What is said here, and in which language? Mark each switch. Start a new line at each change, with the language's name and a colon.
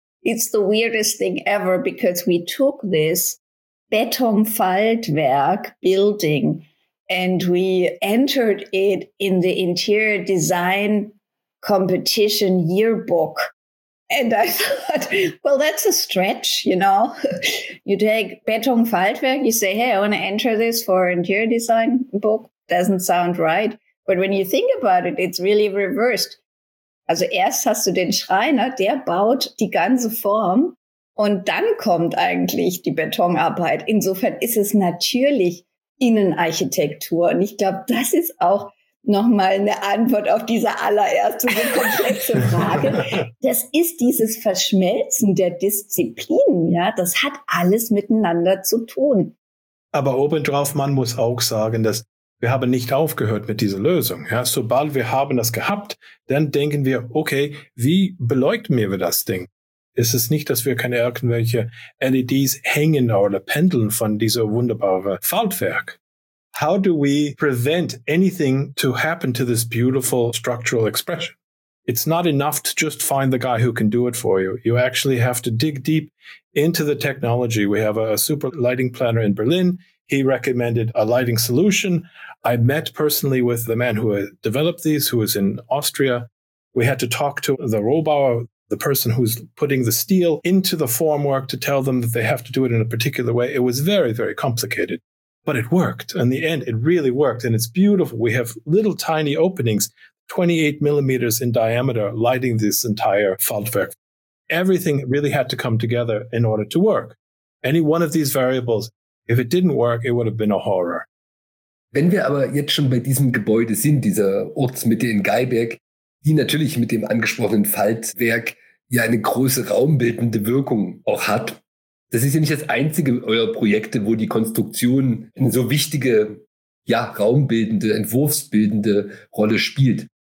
English: It's the weirdest thing ever, because we took this Betonfaltwerk building and we entered it in the interior design competition yearbook. And I thought, well, that's a stretch, you know. You take Betonfaltwerk, you say, hey, I want to enter this for interior design book. Doesn't sound right. But when you think about it, it's really reversed.
German: Also erst hast du den Schreiner, der baut die ganze Form und dann kommt eigentlich die Betonarbeit. Insofern ist es natürlich Innenarchitektur. Und ich glaube, das ist auch nochmal eine Antwort auf diese allererste so komplexe Frage. Das ist dieses Verschmelzen der Disziplinen. Ja, das hat alles miteinander zu tun. Aber obendrauf, man muss auch sagen, dass wir haben nicht aufgehört mit dieser Lösung. Ja, sobald wir haben das gehabt, dann denken wir, okay, wie beleuchten wir das Ding? Es ist nicht, dass wir keine irgendwelche LEDs hängen oder pendeln von dieser wunderbaren Faltwerk.
English: How do we prevent anything to happen to this beautiful structural expression? It's not enough to just find the guy who can do it for you. You actually have to dig deep into the technology. We have a super lighting planner in Berlin. He recommended a lighting solution. I met personally with the man who developed these, who is in Austria. We had to talk to the Rohbauer, the person who's putting the steel into the formwork, to tell them that they have to do it in a particular way. It was very, very complicated, but it worked. In the end, it really worked, and it's beautiful. We have little tiny openings, 28 millimeters in diameter, lighting this entire Faltwerk. Everything really had to come together in order to work. Any one of these variables, if it didn't work, it would have been a horror.
German: Wenn wir aber jetzt schon bei diesem Gebäude sind, dieser Ortsmitte in Geiberg, die natürlich mit dem angesprochenen Faltwerk ja eine große raumbildende Wirkung auch hat. Das ist ja nicht das einzige eurer Projekte, wo die Konstruktion eine so wichtige, ja, raumbildende, entwurfsbildende Rolle spielt.